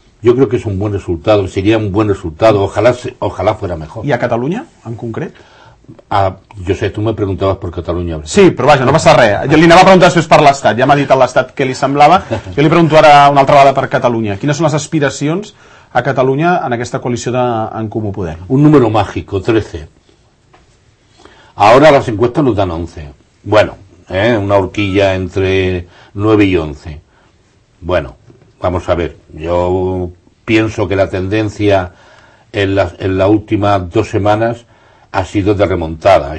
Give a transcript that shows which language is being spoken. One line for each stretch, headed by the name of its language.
Spanish: Yo creo que es un buen resultado, sería un buen resultado, ojalá fuera mejor. ¿Y a Cataluña,
Catalan: en concret?
Spanish: Tú me preguntabas por Cataluña. ¿Verdad?
Catalan: Sí, però vaja, no passa res. Jo li anava a preguntar després per l'Estat, ja m'ha dit a l'Estat què li semblava. Jo li pregunto ara una altra vegada per Catalunya. Quines són les aspiracions a Catalunya en aquesta coalició en Comú Podem?
Spanish: Un número mágico, 13. Ahora las encuestas nos dan 11. Bueno, una horquilla entre 9 y 11. Bueno, vamos a ver. Yo pienso que la tendencia en las últimas dos semanas ha sido de remontada.